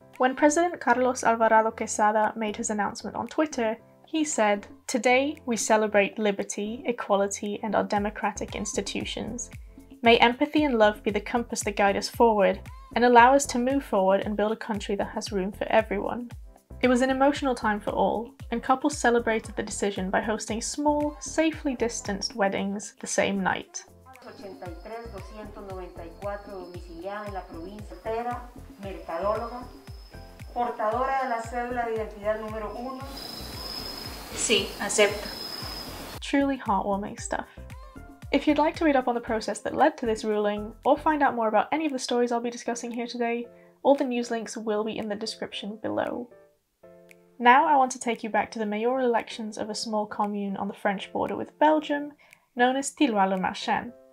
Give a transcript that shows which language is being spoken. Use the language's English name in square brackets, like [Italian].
[English] When President Carlos Alvarado Quesada made his announcement on Twitter, he said, "Today we celebrate liberty, equality, and our democratic institutions. May empathy and love be the compass that guide us forward and allow us to move forward and build a country that has room for everyone." It was an emotional time for all, and couples celebrated the decision by hosting small, safely distanced weddings the same night. [Spanish] 83294 domiciliada en la provincia entera, mercadóloga, portadora de la cédula de identidad número 1. Sí, acepto. [English] Truly heartwarming stuff. If you'd like to read up on the process that led to this ruling, or find out more about any of the stories I'll be discussing here today, all the news links will be in the description below. Now I want to take you back to the mayoral elections of a small commune on the French border with Belgium, known as Tilloy-le-Marchand.